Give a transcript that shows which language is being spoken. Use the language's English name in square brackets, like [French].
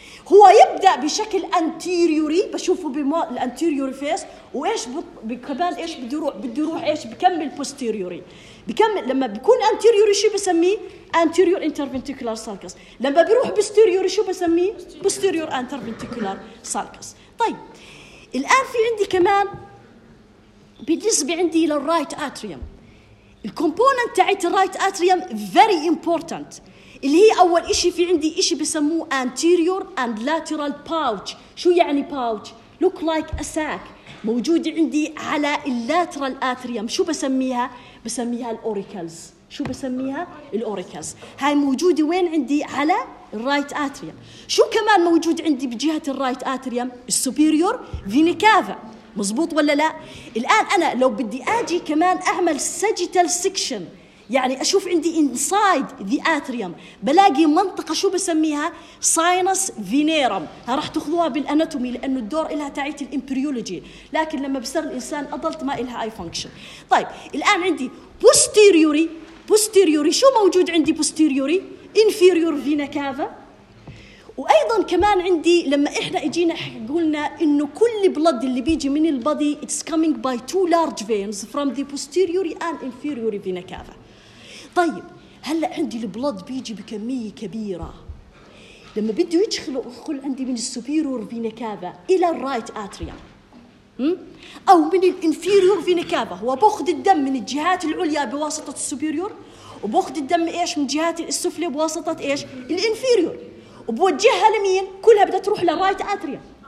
[Arabic] هو يبدا بشكل انتيريوري، بشوفه بالانتيريوري فيس، وايش بكمان ايش بده يروح، بده يروح ايش بكمل بوستيريوري، بكمل لما بيكون انتيريوري شو بسميه انتيريور انترفنتيكولار سالكس، لما بيروح بوستيريوري شو بسميه بوستيريور انترفنتيكولار سالكس. طيب الان في عندي كمان بالنسبه عندي للرايت اتريوم، الكومبوننت تاعت الرايت اتريوم فيري امبورتنت، اللي هي أول إشي في عندي إشي بسموه [English] anterior and lateral pouch. [Arabic] شو يعني [English] pouch؟ look like a sac. [Arabic] موجود عندي على lateral atrium. شو بسميها؟ بسميها الأوريكلز. شو بسميها؟ الأوريكلز. هاي موجودة وين عندي؟ على right atrium. شو كمان موجود عندي بجهة right atrium؟ superior vena cava. مزبوط ولا لا؟ الآن أنا لو بدي أجي كمان أعمل [English] sagittal section، [Arabic] يعني أشوف عندي [English] inside the atrium، [Arabic] بلاقي منطقة شو بسميها sinus venarum. ها راح تخذوها بالأناتومي لأنه الدور إلها تاعيت الإمبريولوجي، لكن لما بصير الإنسان أضلت ما إلها أي function. طيب الآن عندي posteriori. [English] posteriori [Arabic] شو موجود عندي [English] posteriori؟ inferior vena cava. [Arabic] وأيضا كمان عندي لما إحنا إجينا قلنا إنه كل blood اللي بيجي من البادي [English] it's coming by two large veins from the posteriori and inferior vena cava. [Arabic] طيب هلا عندي البلد بيجي بكميه كبيره، لما بده يدخل عندي من السوبيرور فينا كافا الى الرايت اتريوم او من الانفيرور فينا كافا، هو باخذ الدم من الجهات العليا بواسطه السوبيرور، وباخذ الدم ايش من جهات السفلى بواسطه ايش الانفيرور، وبوجهها لمين؟ كلها بدها تروح للرايت اتريوم.